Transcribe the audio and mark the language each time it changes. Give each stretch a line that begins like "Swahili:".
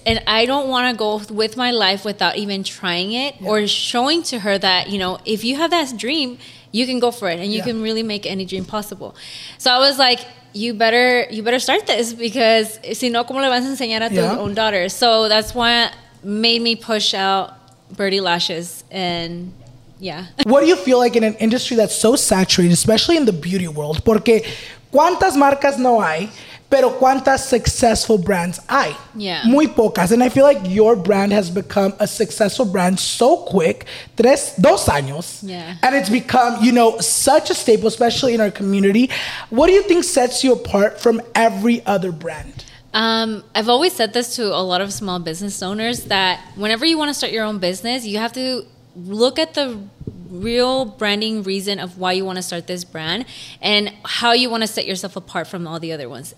English: And I don't want to go with my life without even trying it or showing to her that, you know, if you have that dream, you can go for it and you can really make any dream possible. So I was like, you better start this, because
Spanish: si no, ¿cómo le vas a enseñar a tu
English: own daughter? So that's why it made me push out Birdie Lashes. And what do you feel like in an industry that's so saturated, especially in the beauty world?
Spanish: Porque cuántas marcas no hay, pero cuántas
English: successful brands
Spanish: hay?
English: Yeah.
Spanish: Muy pocas.
English: And I feel like your brand has become a successful brand so quick.
Spanish: Dos años.
English: Yeah. And it's become, you know, such a staple, especially in our community. What do you think sets you apart from every other brand? I've always said this to a lot of small business owners, that whenever you want to start your own business, you have to look at the real branding reason of why you want to start this brand and how you want to set yourself apart from all the other ones.